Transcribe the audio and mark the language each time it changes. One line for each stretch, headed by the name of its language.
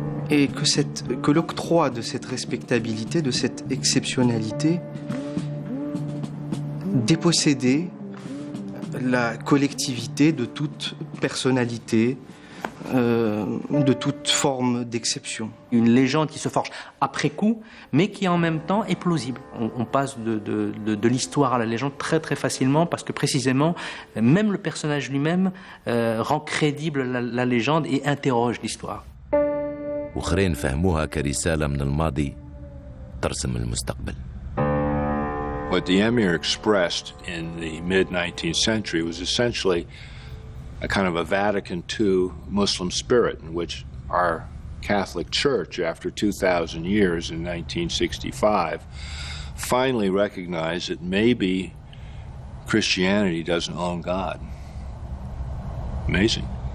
French: et que cette, que l'octroi de cette respectabilité, de cette exceptionnalité, dépossédait la collectivité de toute personnalité, de toute forme d'exception. Une légende qui se forge après coup, mais qui en même temps est plausible. On passe de l'histoire à la légende très très facilement, parce que précisément, même le personnage lui-même rend crédible la légende et interroge l'histoire.
Arabic: وخرين فهموها كرسالة من الماضي ترسم المستقبل.
English: What the Emir expressed in the mid-19th century was essentially a kind of a Vatican II Muslim spirit in which our Catholic Church, after 2,000 years in 1965, finally recognized that maybe Christianity doesn't own God. Amazing.